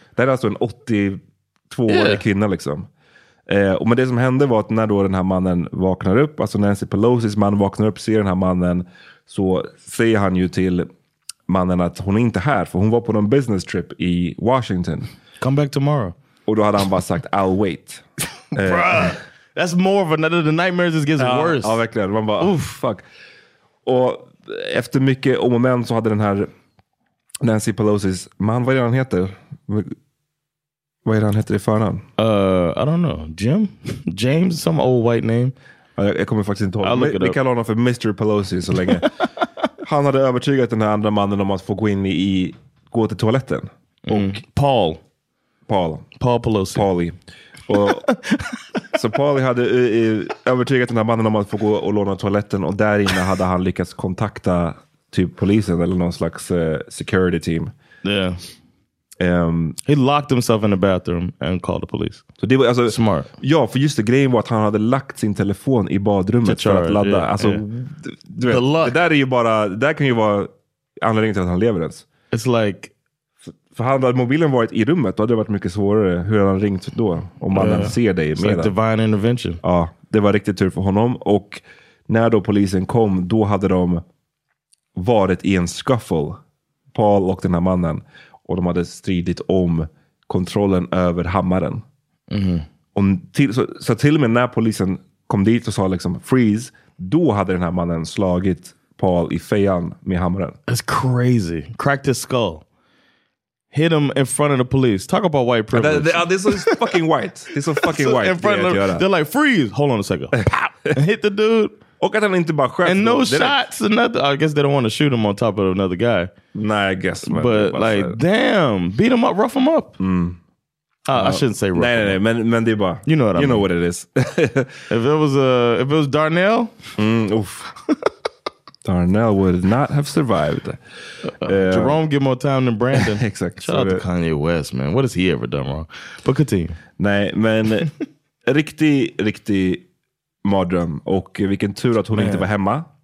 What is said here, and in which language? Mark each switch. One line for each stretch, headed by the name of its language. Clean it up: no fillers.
Swedish: Det är alltså en 82-årig kvinna liksom. Och men det som hände var att när då den här mannen vaknar upp, alltså Nancy Pelosis man vaknar upp, ser den här mannen, så säger han ju till mannen att hon är inte här, för hon var på någon
English: business trip
Swedish: i Washington.
English: Come back tomorrow.
Swedish: Och då hade han bara sagt,
English: I'll wait. Bruh, that's more of another, the nightmares just gets worse.
Swedish: Ja, verkligen. Man bara, oof, fuck. Och efter mycket om och men så hade den här Nancy Pelosi's man, vad är det han heter? Vad är det han heter i förnamn?
English: I don't know. Jim? James? Some old white name.
Swedish: Jag kommer faktiskt inte ihåg. Vi kallar honom för Mr. Pelosi så länge. Han hade övertygat den här andra mannen om att få gå till toaletten. Och Paul Pelosi. Paulie. Och, så Paulie hade övertygat den här mannen om att få gå och låna toaletten. Och där inne hade han lyckats kontakta typ polisen eller någon slags
English: security team. Yeah. He locked himself in the bathroom and called the police.
Swedish: Så det var, alltså, smart. Ja, för just det, grejen var att han hade lagt sin telefon i badrummet för att ladda.
English: Yeah,
Swedish: alltså,
English: yeah. The luck.
Swedish: Det där är ju bara, det där kan ju vara anledningen till att han lever ens.
English: It's like,
Swedish: för hade mobilen varit i rummet, då hade det varit mycket svårare hur han ringt då, om man ser dig.
English: It's like divine intervention.
Swedish: Ja, det var riktigt tur för honom. Och när då polisen kom, då hade de varit i en scuffle, Paul och den här mannen. Och de hade stridit om kontrollen över hammaren. Mm. Och så till och med när polisen kom dit och sa liksom freeze, då hade den här mannen slagit Paul i fejan med hammaren.
English: That's crazy. Cracked his skull. Hit him in front of the police. Talk about white privilege. This is fucking white. This is fucking white. In front of them, they're like, freeze. Hold on a second. Pop. Hit the dude. Och att han inte bara skräck. And no shots. I guess they don't want to shoot him on top of another guy. Nah, I guess. Man, but like, damn. Beat him up. Rough him up. Mm. I shouldn't say rough.
Swedish: Nej. Men det är bara.
English: You know what I mean. You know what it is. if it was Darnell. Oof. Darnell would not have survived. Jerome get more time than Brandon. Exactly. Shout out to Kanye West, man. What has he ever done wrong? But continue.
Swedish: Nej, men riktig, riktig mardröm. Och vilken tur att hon inte var hemma.